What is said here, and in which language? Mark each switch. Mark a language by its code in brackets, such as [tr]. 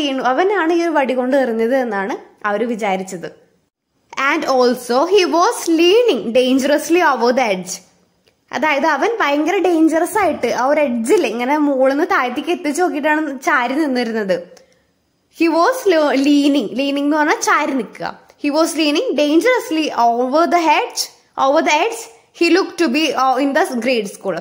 [ml] അവനാണ് ഈ ഒരു വടി കൊണ്ട് എറിഞ്ഞത് എന്നാണ് അവർ വിചാരിച്ചത്. [en] And also he was leaning dangerously over the edge. [ml] അതായത് അവൻ ഭയങ്കര ഡേഞ്ചറസ് ആയിട്ട് ആ ഒരു എഡ്ജിൽ ഇങ്ങനെ മുകളിന്ന് താഴത്തേക്ക് എത്തിച്ചു നോക്കിയിട്ടാണ് ചാരി നിന്നിരുന്നത്. [en] he was leaning [ml] എന്ന് പറഞ്ഞാൽ ചാരി നിൽക്കുക. [en] He was leaning dangerously over the hedge he look to be in the grade school.